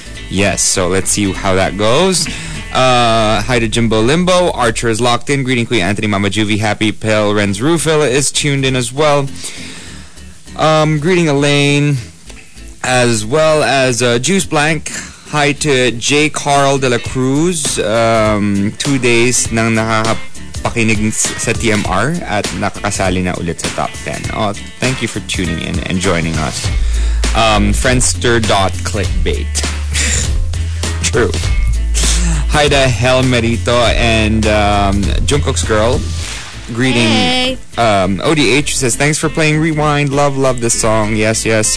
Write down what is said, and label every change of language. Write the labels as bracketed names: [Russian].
[English] Yes, so let's see how that goes. Hi to Jimbo Limbo. Archer is locked in. Greeting Queen Anthony Mama Juvie. Happy Pill. Renz Rufil is tuned in as well. Greeting Elaine, as well as Juice Blank. Hi to J. Carl De La Cruz. [Filipino] 2 days nang nakapakinig sa TMR at nakakasali na ulit sa top 10. [English] Oh, thank you for tuning in and joining us. Friendster.clickbait. True. Hi to Hel Merito and Jungkook's girl. Greeting. Hey. ODH says, thanks for playing Rewind. Love, love this song. Yes, yes.